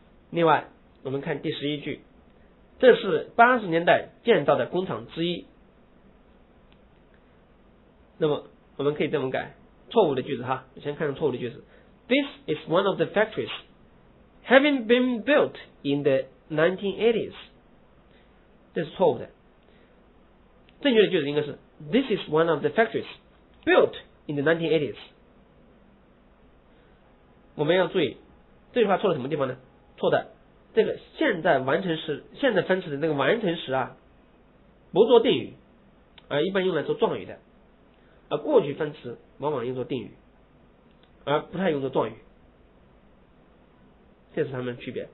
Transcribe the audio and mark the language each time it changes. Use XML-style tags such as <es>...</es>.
<zh>另外，我们看第十一句，这是八十年代建造的工厂之一。那么我们可以这么改错误的句子哈，我先看看错误的句子。</zh> <en>This is one of the factories having been built in the 1980s.</en> <zh>这是错误的。正确的句子应该是</zh> <en>This is one of the factories built in the 1980s.</en> <zh>我们要注意这句话错了什么地方呢？错的这个现在完成时，现在分词的那个完成时啊，不做定语，而一般用来做状语的，而过去分词往往用作定语，而不太用作状语，这是他们的区别。</zh>